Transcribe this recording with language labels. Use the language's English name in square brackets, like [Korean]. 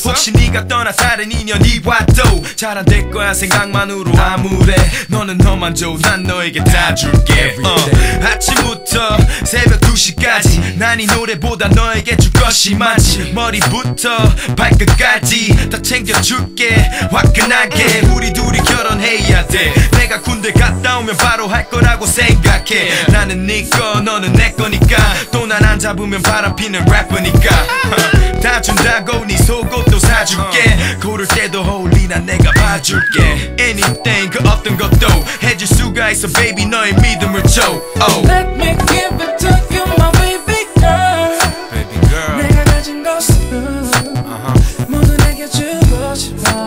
[Korean] Nigga 떠나 다른 인연이 와도 잘 안 될 거야 생각만으로 아무래 너는 너만 줘 난 너에게 다 줄게 아침부터 새벽 2시까지 난 이 노래보다 너에게 줄 것이 많지 머리부터 발끝까지 다 챙겨줄게 화끈하게 우리 둘이 결혼해야 돼 내가 군대 갔다 오면 바로 할 거라고 생각해 나는 네 거 너는 내 거니까 또 난 안 잡으면 바람 피는 래퍼니까 다 준다고 네 속옷도 사줄게 고를 때도 홀리 난 내가 봐줄게 Anything 그 어떤 것도 해줄 수가 있어 baby 너의 믿음을 줘 oh. [English] Let me give it to you my baby girl, baby girl. [Korean] 내가 가진 것은 모두 내게 주고 싶어